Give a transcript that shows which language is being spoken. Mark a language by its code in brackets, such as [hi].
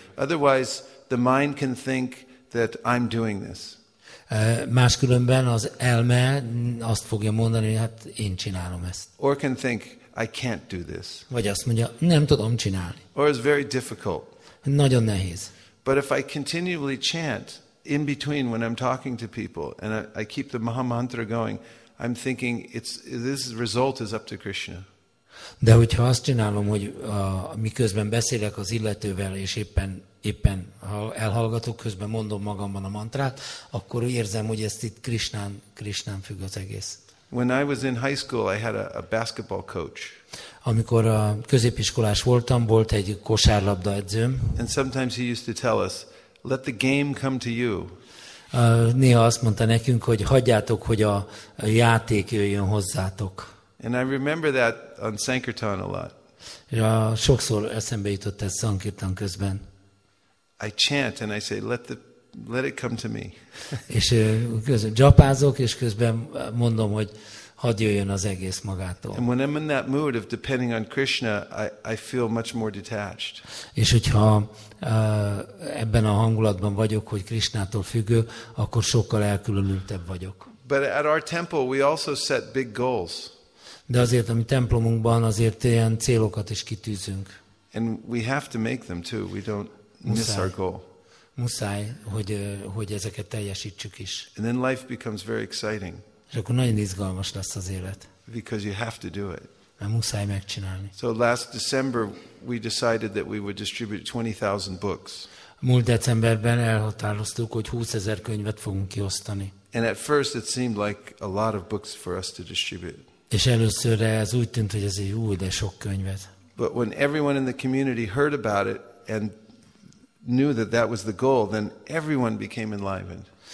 [en] Otherwise, the mind can think that I'm doing this. [hu] Máskülönben az elme azt fogja mondani, hogy hát én csinálom ezt. [en] Or can think I can't do this. [hu] Vagy azt mondja, nem tudom csinálni. [en] Or it's very difficult. [hu] Nagyon nehéz. [en] But if I continually chant in between when I'm talking to people and I keep the Maha Mantra going, I'm thinking this result is up to Krishna. [hu] De hogyha azt csinálom, hogy miközben beszélek az illetővel, és éppen elhallgatok, közben mondom magamban a mantrát, akkor érzem, hogy ezt itt Krishnán függ az egész. [en] When I was in high school, I had a basketball coach. [hu] Amikor a középiskolás voltam, volt egy kosárlabda edzőm. [en] And sometimes he used to tell us, let the game come to you. [hu] Néha azt mondta nekünk, hogy hagyjátok, hogy a játék jöjjön hozzátok. [en] And I remember that on Sankirtan a lot. [hu] Sokszor eszembe jutott ez Sankirtan közben. [en] I chant and I say, let it come to me. [hu] És közben japázok, és közben mondom, hogy hadd jöjjön az egész magától. [en] And when I'm in that mood of depending on Krishna, I feel much more detached. [hu] És hogyha ebben a hangulatban vagyok, hogy Krishnától függő, akkor sokkal elkülönültebb vagyok. [en] But at our temple we also set big goals. [hu] De azért a mi templomunkban azért ilyen célokat is kitűzünk. [en] And we have to make them too. We don't miss our goal. [hu] Muszáj, hogy ezeket teljesítsük is. [en] And then life becomes very exciting. [hu] És akkor nagyon izgalmas lesz az élet. [en] Because you have to do it. [hu] Mert muszáj megcsinálni. [en] So last December we decided that we would distribute 20,000 books. [hu] Múlt decemberben elhatároztuk, hogy 20,000 könyvet fogunk kiosztani. [en] And at first it seemed like a lot of books for us to distribute. [hu] És előszörre ez úgy tűnt, hogy ez egy új, de sok könyvet. [en] But when everyone in the community heard about it and knew that that was the goal, then everyone became enlivened.